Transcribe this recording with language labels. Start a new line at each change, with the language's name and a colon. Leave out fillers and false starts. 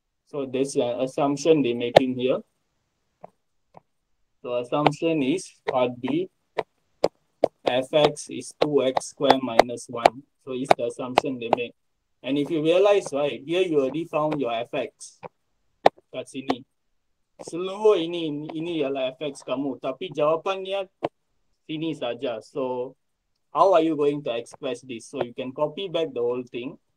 English: So this is an assumption they making here. So assumption is part B, fx is 2x square minus 1. So it's the assumption they make. And if you realize, right, here you already found your fx.
Malay: Kat sini. Seluruh ini ialah fx kamu. Tapi jawapannya sini saja.
English: So, how are you going to express this? So, you can copy back the whole thing.